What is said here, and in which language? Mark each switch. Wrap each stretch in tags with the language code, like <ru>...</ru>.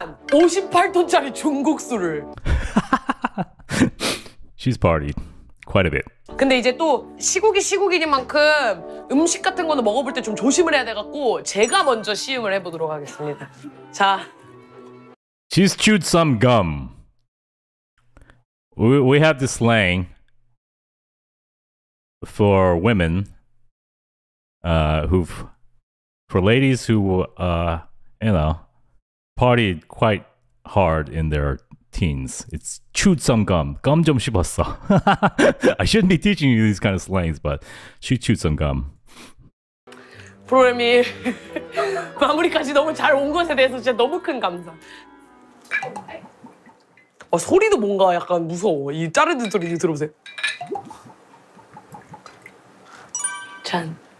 <ko>58톤짜리 중국수를</ko> <en>She's partied quite a bit.</en> <ko>근데 이제 또 시국이 시국이니만큼 음식 같은 거는 먹어볼 때 좀 조심을 해야 돼갖고 제가 먼저 시음을 해보도록 하겠습니다. 자</ko> <en>She's chewed some gum. We have this slang for women for ladies who, you know, partied quite hard in their teens. It's chewed some gum. Gum</en> <ko>좀 씹었어.</ko> <en>I shouldn't be teaching you these kind of slangs, but she chewed some gum.</en> <ko>프로그램이 마무리까지 너무 잘 온 것에 대해서 진짜 너무 큰 감사. 소리도 뭔가 약간 무서워. 이 자르는 소리 들어보세요. 짠.</ko>